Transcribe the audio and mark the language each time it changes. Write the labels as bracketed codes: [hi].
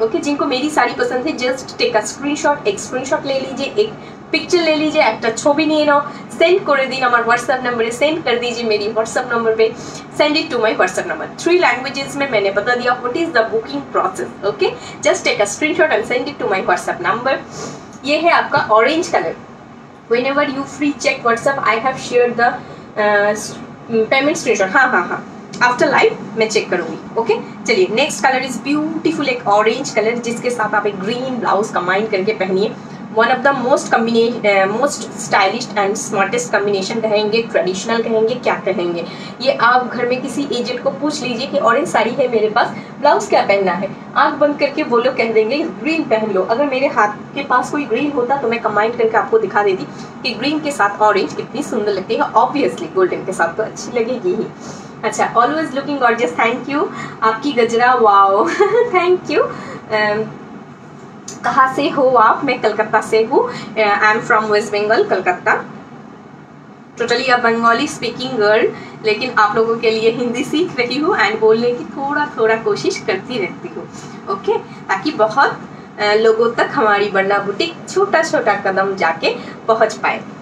[hi] Okay, जिनको मेरी साड़ी पसंद है [en] just take a screenshot, [hi] एक स्क्रीनशॉट ले लीजिए, एक पिक्चर ले लीजिए, एक छवि नहीं नाओ, सेंड कर दी हमारे व्हाट्सएप नंबर पर, सेंड कर दीजिए मेरी व्हाट्सएप नंबर पर, [en] Send it to my WhatsApp number. [hi] Three languages में मैंने बता दिया what is the booking process. [en] Okay, just take a screenshot and send it to my WhatsApp number. [hi] ये है आपका orange colour. [en] Whenever you free check WhatsApp, I have shared the payment screenshot. [hi] हाँ हाँ हाँ, [en] after live [hi] मैं check करूँगी। Okay, चलिए [en] next color is beautiful, [hi] एक orange color जिसके साथ आप एक green blouse combine करके पहनिए। [en] One of the most most stylish and smartest combination [hi] कहेंगे, traditional कहेंगे, क्या कहेंगे, ये आप घर में किसी agent को पूछ लीजिए कि orange साड़ी है मेरे पास, blouse क्या पहनना है। आँख बंद करके वो लोग कह देंगे green पहन लो। अगर मेरे हाथ के पास कोई green होता तो मैं combine करके आपको दिखा देती कि green के साथ orange कितनी सुंदर लगती है। Obviously golden के साथ तो अच्छी लगेगी ही। [en] अच्छा, always looking gorgeous, thank you। [hi] आपकी गजरा, [en] wow, thank you। [hi] कहाँ से हो आप? मैं कलकत्ता से हूँ, [en] I am from West Bengal, [hi] Calcutta. [en] totally a Bengali speaking girl, [hi] लेकिन आप लोगों के लिए हिंदी सीख रही हूँ एंड बोलने की थोड़ा थोड़ा कोशिश करती रहती हूँ। ओके, ताकि बहुत लोगों तक हमारी बन्ना बुटीक छोटा छोटा कदम जाके पहुँच पाए।